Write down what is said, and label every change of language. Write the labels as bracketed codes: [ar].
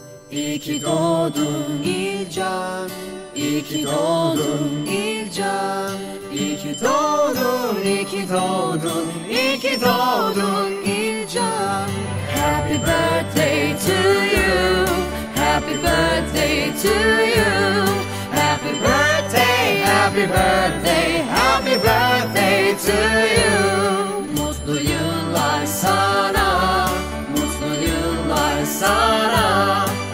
[tr] İyi ki doğdun İlcan, iyi ki doğdun İlcan, iyi ki doğdun, iyi ki doğdun, iyi ki doğdun İlcan. [en] Happy birthday to you, happy birthday to you, happy birthday, happy birthday, happy birthday to you. [tr] Mutlu yıllar sana, mutlu yıllar sana.